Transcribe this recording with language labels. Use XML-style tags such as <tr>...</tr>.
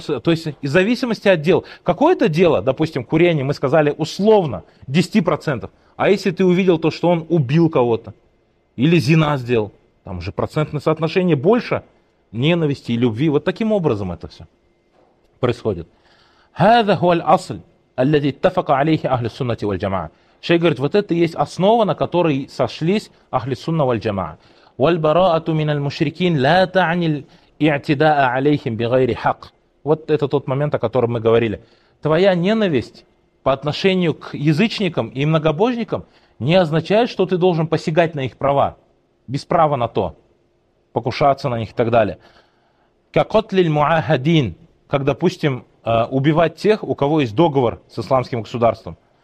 <ru>То есть из зависимости от дел. Какое-то дело, допустим, курение, мы сказали условно 10%. А если ты увидел то, что он убил кого-то? Или зина сделал? Там же процентное соотношение больше – ненависти и любви. Вот таким образом это все происходит.</ru> <ar>هذا هو الأصل الذي اتفق عليه أهل السنة والجماعة.</ar> <ru>Шейх говорит, вот это есть основа, на которой сошлись</ru> <ar>أهل السنة والجماعة. والبراءة من المشركين لا تعني الاعتداء عليهم بغير حق.</ar> <ru>Вот это тот момент, о котором мы говорили. Твоя ненависть по отношению к язычникам и многобожникам не означает, что ты должен посягать на их права, без права на то. Покушаться на них и так далее. Как котлиль муахадин, как, допустим, убивать тех, у кого есть договор с исламским государством.</ru>